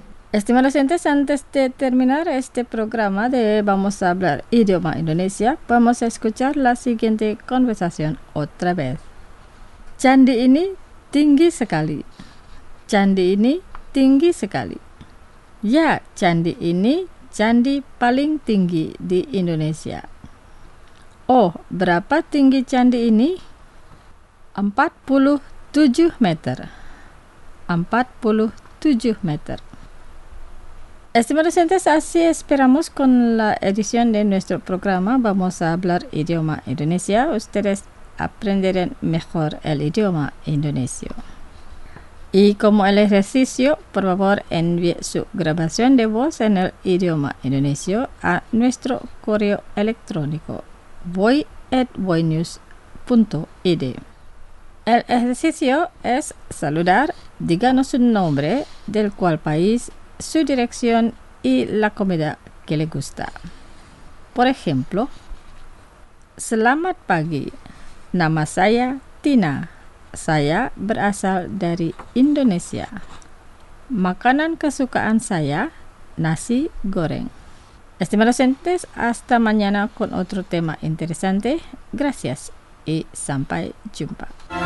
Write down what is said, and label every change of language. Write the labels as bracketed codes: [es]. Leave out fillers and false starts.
[es] Estimados oyentes, antes de terminar este programa de Vamos a hablar idioma indonesia, vamos a escuchar la siguiente conversación otra vez. [id] Candi ini tinggi sekali. Candi ini tinggi sekali. Ya, candi ini candi paling tinggi di Indonesia. Oh, berapa tinggi candi ini? 47 meter. 47 meter. [es] Estimados oyentes, así esperamos con la edición de nuestro programa Vamos a hablar idioma indonesia. Ustedes aprenderán mejor el idioma indonesio. Y como el ejercicio, por favor envíe su grabación de voz en el idioma indonesio a nuestro correo electrónico. voy@voynews.id. El ejercicio es saludar, díganos su nombre, del cual país, su dirección y la comida que le gusta. Por ejemplo, [id] Selamat pagi. Nama saya Tina. Saya berasal dari Indonesia. Makanan kesukaan saya nasi goreng. [es] Estimados oyentes, hasta mañana con otro tema interesante. Gracias y [id] sampai jumpa.